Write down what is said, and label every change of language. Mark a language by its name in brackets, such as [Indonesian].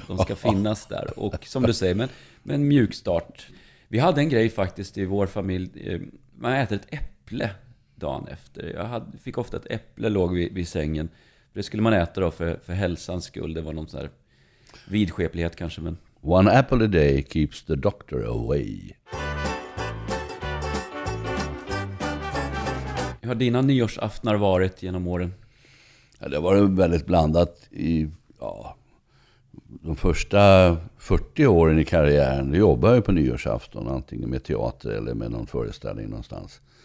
[Swedish] De ska finnas där. Och som du säger, med en mjuk start. Vi hade en grej faktiskt i vår familj. Man äter ett äpple dagen efter. Fick ofta ett äpple låg vid sängen. Det skulle man äta då för hälsans skull. Det var någon sån här vidskeplighet kanske. Men... [English] One apple a day keeps the doctor away. [Swedish] Hur har dina nyårsaftnar varit genom åren? Ja, det var väldigt blandat i de första 40 åren i karriären. Jag jobbade på nyårsafton, antingen med teater eller med någon föreställning någonstans.